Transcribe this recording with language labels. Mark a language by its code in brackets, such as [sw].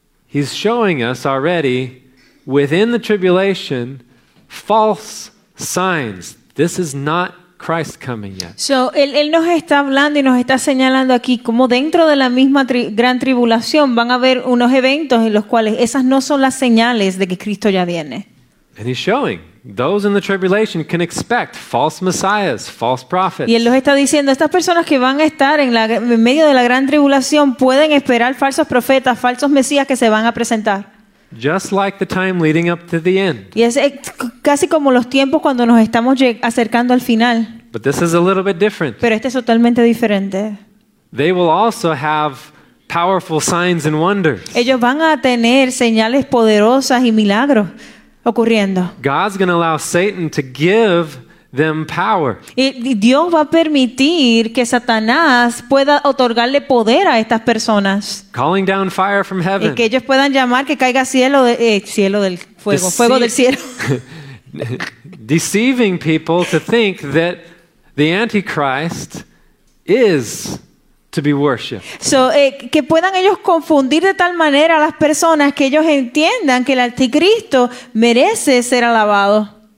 [en] He's showing us already within the tribulation false signs. This is not Christ coming yet. [es] So, él nos está hablando y nos está señalando aquí cómo dentro de la misma gran tribulación van a haber unos eventos en los cuales esas no son las señales de que Cristo ya viene. [en] And he's showing those in the tribulation can expect false messiahs, false prophets. [es] Y él los está diciendo, estas personas que van a estar en medio de la gran tribulación pueden esperar falsos profetas, falsos mesías que se van a presentar. [en] Just like the time leading up to the end. [es] Y es casi como los tiempos cuando nos estamos acercando al final. [en] But this is a little bit different. [es] Pero este es totalmente diferente. [en] They will also have powerful signs and wonders. [es] Ellos van a tener señales poderosas y milagros. Ocurriendo. [en] God's going to allow Satan to give them power. [es] Y Dios va a permitir que Satanás pueda otorgarle poder a estas personas. [en] Calling down fire from heaven. [es] Y que ellos puedan llamar que caiga cielo de, cielo del fuego, fuego del cielo. [en] Deceiving people to think that the Antichrist is to be worshipped. [es] So, que puedan ellos confundir de tal manera a las personas que ellos entiendan que el anticristo merece ser alabado.